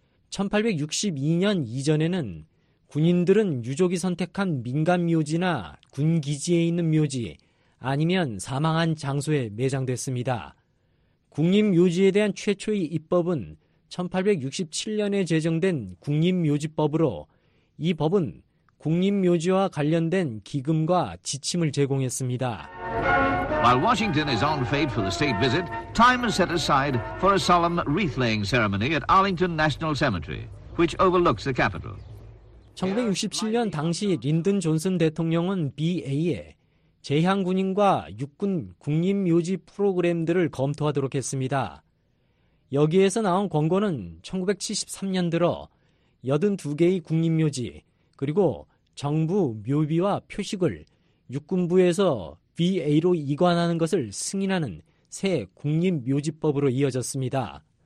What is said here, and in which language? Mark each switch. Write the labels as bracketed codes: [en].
[ko] 1862년 이전에는 군인들은 유족이 선택한 민간 묘지나 군기지에 있는 묘지 아니면 사망한 장소에 매장됐습니다. 국립묘지에 대한 최초의 입법은 1867년에 제정된 국립묘지법으로 이 법은 국립묘지와 관련된 기금과 지침을 제공했습니다. [en] While Washington is on fate for the state visit, time is set aside for a solemn wreath-laying ceremony at Arlington National Cemetery, which overlooks the Capitol. [ko] 1967년 당시 린든 존슨 대통령은 BA에 재향군인과 육군 국립묘지 프로그램들을 검토하도록 했습니다. 여기에서 나온 권고는 1973년 들어 82개의 국립묘지 그리고 정부 묘비와 표식을 육군부에서 VA로 이관하는 것을 승인하는 새 국립묘지법으로 이어졌습니다.